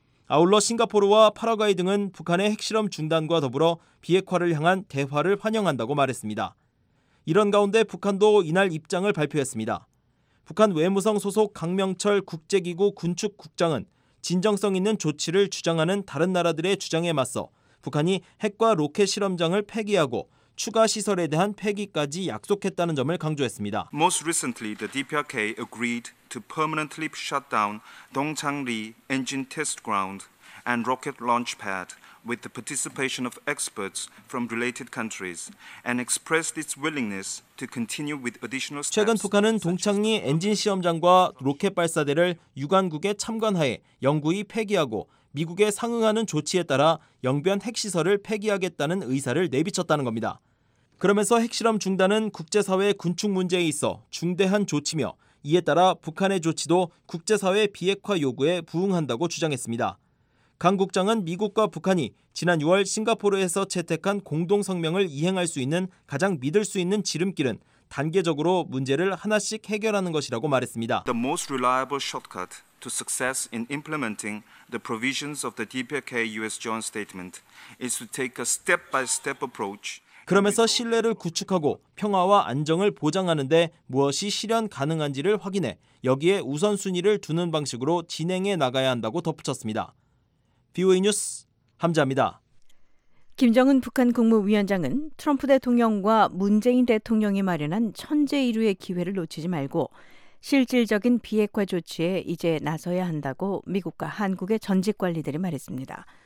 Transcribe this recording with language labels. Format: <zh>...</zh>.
<ko>아울러 싱가포르와 파라과이 등은 북한의 핵실험 중단과 더불어 비핵화를 향한 대화를 환영한다고 말했습니다. 이런 가운데 북한도 이날 입장을 발표했습니다. 북한 외무성 소속 강명철 국제기구 군축국장은 진정성 있는 조치를 주장하는 다른 나라들의 주장에 맞서 북한이 핵과 로켓 실험장을 폐기하고 추가 시설에 대한 폐기까지 약속했다는 점을 강조했습니다.</ko> <en>Most recently, the DPRK agreed to permanently shut down Dongchang-ri engine test ground and rocket launch pad with the participation of experts from related countries and expressed its willingness to continue with additional steps.</en> <ko>최근 북한은 동창리 엔진 시험장과 로켓 발사대를 유관국의 참관하에 영구히 폐기하고 미국에 상응하는 조치에 따라 영변 핵시설을 폐기하겠다는 의사를 내비쳤다는 겁니다. 그러면서 핵실험 중단은 국제사회 군축 문제에 있어 중대한 조치며 이에 따라 북한의 조치도 국제사회 비핵화 요구에 부응한다고 주장했습니다. 강 국장은 미국과 북한이 지난 6월 싱가포르에서 채택한 공동성명을 이행할 수 있는 가장 믿을 수 있는 지름길은 단계적으로 문제를 하나씩 해결하는 것이라고 말했습니다.</ko> <en>The most reliable shortcut to success in implementing the provisions of the DPRK-US joint statement is to take a step-by-step approach.</en> <ko>그러면서 신뢰를 구축하고 평화와 안정을 보장하는 데 무엇이 실현 가능한지를 확인해 여기에 우선순위를 두는 방식으로 진행해 나가야 한다고 덧붙였습니다. VOA 뉴스 함자입니다. 김정은 북한 국무위원장은 트럼프 대통령과 문재인 대통령이 마련한 천재이루의 기회를 놓치지 말고 실질적인 비핵화 조치에 이제 나서야 한다고 미국과 한국의 전직 관리들이 말했습니다.</ko>